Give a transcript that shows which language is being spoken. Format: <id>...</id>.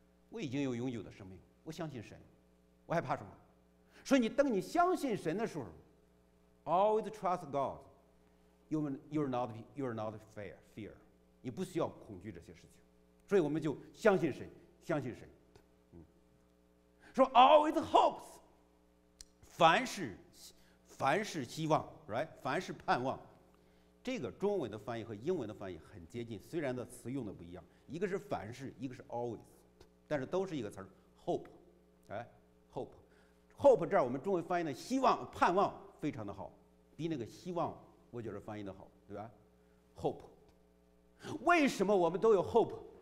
<zh>我已经有永久的生命，我相信神，我还怕什么？所以你等你相信神的时候 ，</zh> <en>always trust God， you're not fear，</en> <zh>你不需要恐惧这些事情。所以我们就相信神，相信神。说</zh> <en>always hopes，</en> <zh>凡事希望 ，right？凡事盼望。这个中文的翻译和英文的翻译很接近，虽然的词用的不一样，一个是凡事，一个是 always。但是都是一个词儿 ，hope， 哎 ，hope，hope 这儿我们中文翻译的希望、盼望非常的好，比那个希望我觉得翻译的好，对吧 ？hope， 为什么我们都有 hope？</zh>